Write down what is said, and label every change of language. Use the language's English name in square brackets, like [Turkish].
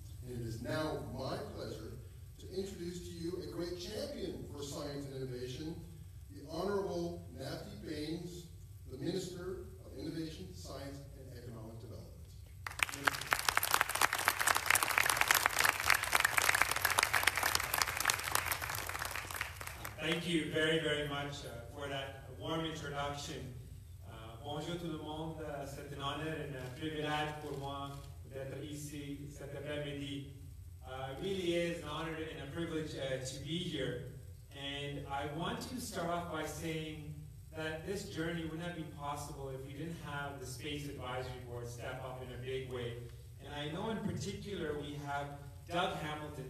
[English] And it is now my pleasure to introduce to you a great champion for science and innovation, the Honorable Navdeep Bains, the Minister of Innovation, Science, and Economic Development. Thank you very, very much for that warm introduction. [French] Bonjour tout le monde, c'est un honneur et un privilège pour moi d'être ici cet après-midi. [English] It really is an honor and a privilege to be here. And I want to start off by saying that this journey would not be possible if we didn't have the Space Advisory Board step up in a big way. And I know in particular we have Doug Hamilton.